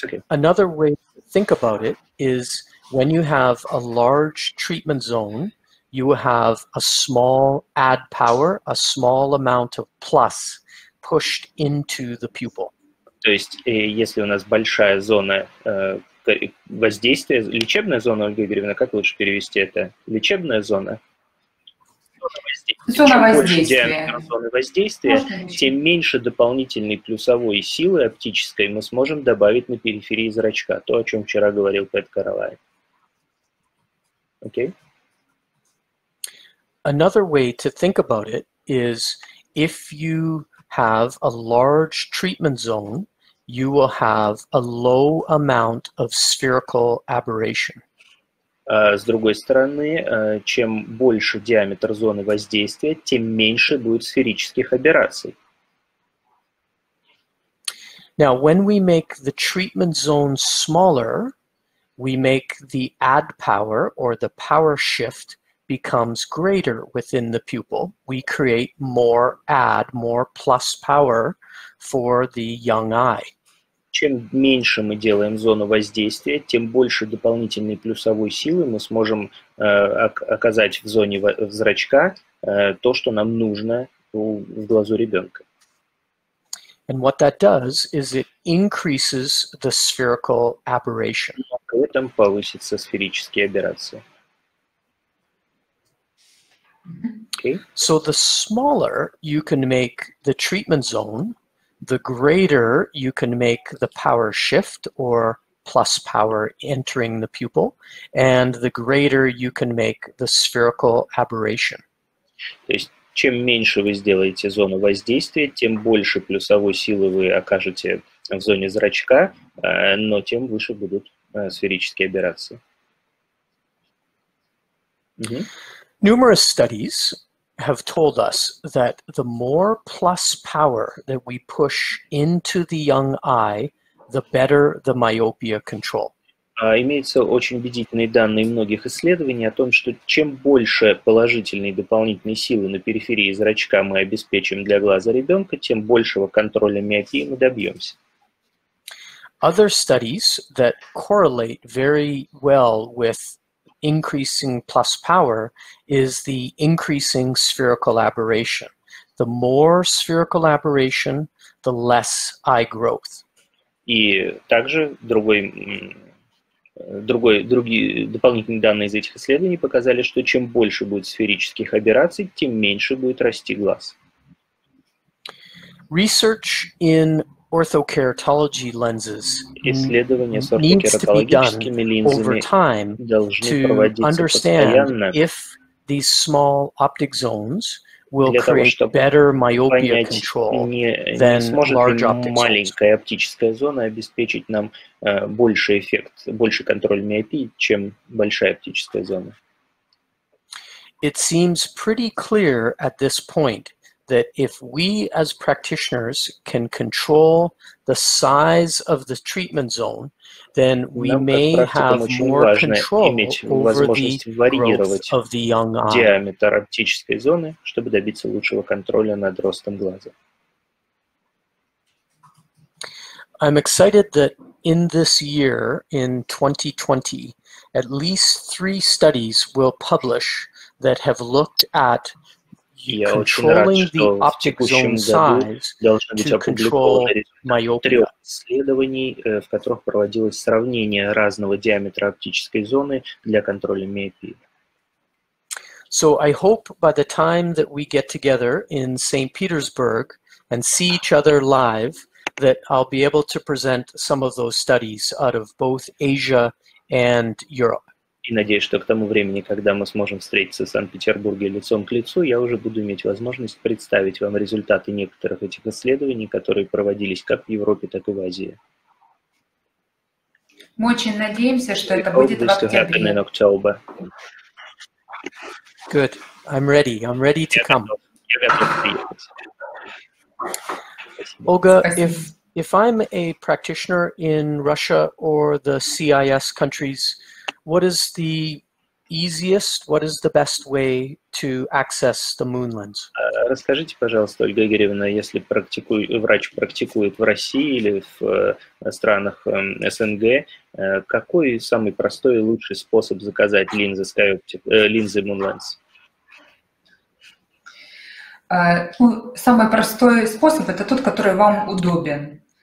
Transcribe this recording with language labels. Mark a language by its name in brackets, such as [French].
[English] Another way to think about it is when you have a large treatment zone, you have a small add power, a small amount of plus pushed into the pupil. [Russian] То есть, если у нас большая зона воздействия, лечебная зона, Ольга Игоревна, как лучше перевести это? Лечебная зона? Зона воздействия. Чем больше диаметр зоны воздействия, тем меньше дополнительной плюсовой силы оптической мы сможем добавить на периферии зрачка. То, о чем вчера говорил Пэт Каролай. [English] Okay. Another way to think about it is if you have a large treatment zone, you will have a low amount of spherical aberration. [Russian] С другой стороны, чем больше диаметр зоны воздействия, тем меньше будет сферических аберраций. [English] Now, when we make the treatment zone smaller, we make the add power or the power shift becomes greater within the pupil. We create more add, more plus power for the young eye. [Russian] Чем меньше мы делаем зону воздействия, тем больше дополнительной плюсовой силы мы сможем оказать в зоне зрачка то, что нам нужно в глазу ребенка. [English] And what that does is it increases the spherical aberration. [Russian] При этом повысятся сферические аберрации. [English] Okay. So the smaller you can make the treatment zone, the greater you can make the power shift or plus power entering the pupil, and the greater you can make the spherical aberration. [Russian] То есть, чем меньше вы сделаете зону воздействия, тем больше плюсовой силы вы окажете в зоне зрачка, но тем выше будут сферические аберрации. Mm-hmm. [English] Numerous studies have told us that the more plus power that we push into the young eye, the better the myopia control. [Russian] Имеются очень убедительные данные многих исследований о том, что чем больше положительной дополнительной силы на периферии зрачка мы обеспечим для глаза ребенка, тем большего контроля миопии мы добьемся. [English] Other studies that correlate very well with increasing plus power is the increasing spherical aberration. The more spherical aberration, the less eye growth. [Russian] И также другие дополнительные данные из этих исследований показали, что чем больше будет сферических аберраций, тем меньше будет расти глаз. [English] Research in orthokeratology lenses needs to be done over time to understand if these small optic zones will create better myopia control than large optic zones. [Russian] Маленькая оптическая зона обеспечить нам больше эффект, больше контроль миопии, чем большая оптическая зона. [English] It seems pretty clear at this point that if we as practitioners can control the size of the treatment zone, then we may have more control over the growth of the young eye. [Russian] Диаметр оптической зоны, чтобы добиться лучшего контроля над ростом глаза. [English] I'm excited that in this year, in 2020, at least three studies will publish that have looked at controlling the optic zone size to control myopia. [Russian] Трех исследований, в которых проводилось сравнение разного диаметра оптической зоны для контроля миопии. [English] So I hope by the time that we get together in St. Petersburg and see each other live, that I'll be able to present some of those studies out of both Asia and Europe. [Russian] И надеюсь, что к тому времени, когда мы сможем встретиться в Санкт-Петербурге лицом к лицу, я уже буду иметь возможность представить вам результаты некоторых этих исследований, которые проводились как в Европе, так и в Азии. Мы очень надеемся, что это будет в октябре. [English] Good. I'm ready. I'm ready to come. [Russian] Я готов приехать. [English] Ольга, if I'm a practitioner in Russia or the CIS countries, what is the easiest, what is the best way to access the MoonLens? [Russian] Расскажите, пожалуйста, Ольга Игоревна, если врач практикует в России или в странах СНГ, какой самый простой и лучший способ заказать линзы SkyOptix, линзы MoonLens? Самый простой способ – это тот, который вам удобен.